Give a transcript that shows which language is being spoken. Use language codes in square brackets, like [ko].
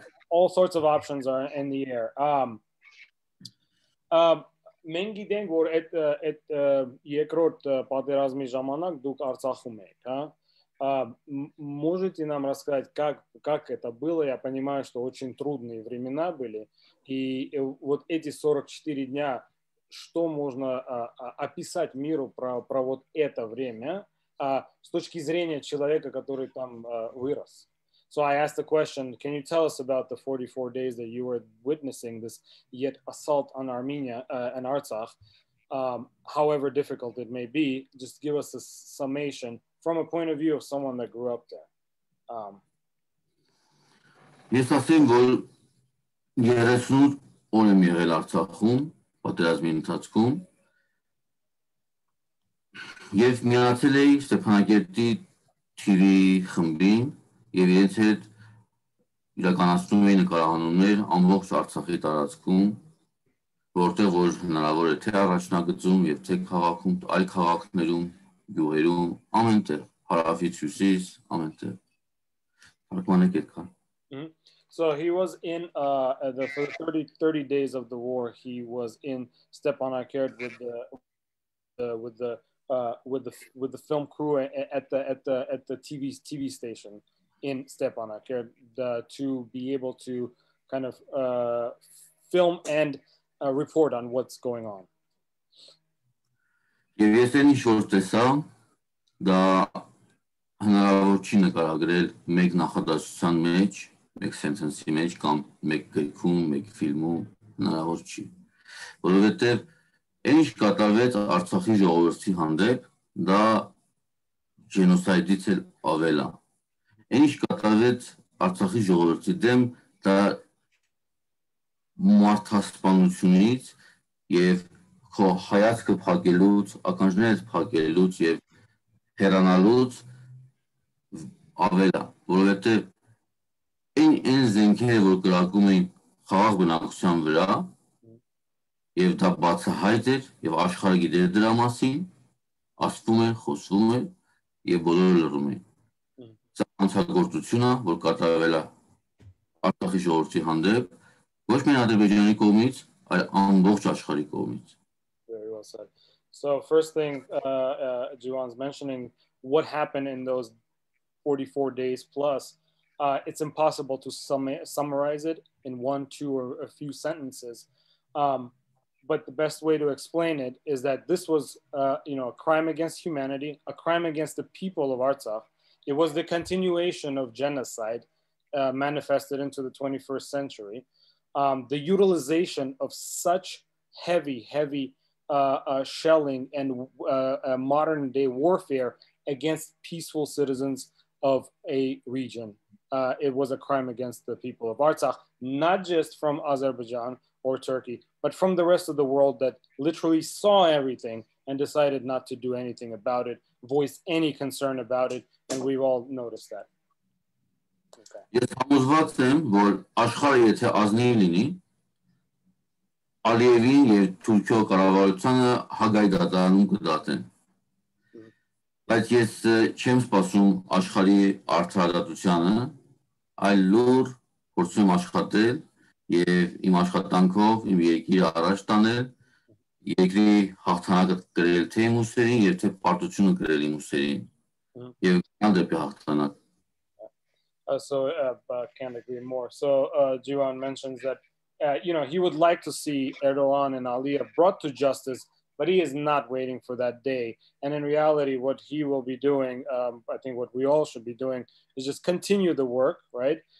[en] All sorts of options are in the air. [hy] Մենքի դենք որ այդ այդ երկրորդ պատերազմի ժամանակ դուք Արցախում եք, հա? [ru] Можете нам рассказать, как это было? Я понимаю, что очень трудные времена были. И вот эти 44 дня, что можно описать миру про вот это время с точки зрения человека, который там вырос? [en] So I asked the question, can you tell us about the 44 days that you were witnessing this yet assault on Armenia and Artsakh, however difficult it may be, just give us a summation from a point of view of someone that grew up there. Yes, I think well, [hy] 38 օր եմ եղել Արցախում, պատերազմի ընթացքում, եւ միացել էի Ստեփանակերտի TV խմբին. Եվ ինձ հետ իրականացնում էին նկարահանումներ ամբողջ Արցախի տարածքում, որտեղ որ հնարավոր է թե առաջնագծում եւ թե քաղաքում, այլ քաղաքներում, գյուղերում, ամենտեղ, հարավից հյուսիս, ամենտեղ։ Պարտվանեք այդքան։ [en] So he was in the first 30 days of the war, he was in Stepanakert with the film crew at the TV station in Stepanakert to be able to kind of film and report on what's going on. [hy] Եվ ես այն ինչ որ տեսա, դա հնարավոր չի նկարագրել մեկ նախադասության մեջ, մեկ sentence-ի մեջ կամ մեկ գրքում, մեկ ֆիլմում հնարավոր չի. Որովհետև այն ինչ կատարվեց Արցախի ժողովրդի հանդեպ, դա ջենոսայդից էլ ավել է. Ինչ կատարվեց Արցախի ժողովրդի դեմ, դա մարդասպանությունից եւ քո հայացքը փակելուց, ականջներից փակելուց եւ հեռանալուց ավել է, որովհետեւ այն զենքերը, որ կրակում էին խաղաղ բնակության վրա, եւ դա բացահայտ էր եւ աշխարհը գիտեր դրա մասին, ասվում էր, խոսվում էր եւ բոլորը լռում էին. Ցանցագործությունը, որ կատարվել է Արցախի ժողովրդի հանդեպ, ոչ միայն Ադրբեջանի կողմից, այլ ամբողջ աշխարհի կողմից. [en] Very well said. So first thing Jivan's mentioning what happened in those 44 days plus, it's impossible to summarize it in one, two or a few sentences. But the best way to explain it is that this was a crime against humanity, a crime against the people of Artsakh. It was the continuation of genocide manifested into the 21st century. The utilization of such heavy shelling and modern day warfare against peaceful citizens of a region. It was a crime against the people of Artsakh, not just from Azerbaijan or Turkey, but from the rest of the world that literally saw everything and decided not to do anything about it, voice any concern about it, and we've all noticed that. [hy] Ես համոզված եմ, որ աշխարհը եթե ազնիվ լինի, Ալիևին եւ Թուրքիո կառավարությունը հագայդատարանում կդատեն։ Բայց ես չեմ սպասում աշխարհի արդարադատությանը, այլ լուր փորձում աշխատել եւ իմ աշխատանքով իմ երկիրը առաջ տանել, երկրի հաղթանակը գրել թե իմ ուսերին, եւ թե պարտությունը գրել իմ ուսերին եւ կան դեպի հաղթանակ։ [en] So can't agree more. So Jivan mentions that he would like to see Erdogan and Aliyev brought to justice, but he is not waiting for that day. And in reality, what he will be doing, I think what we all should be doing, is just continue the work, right?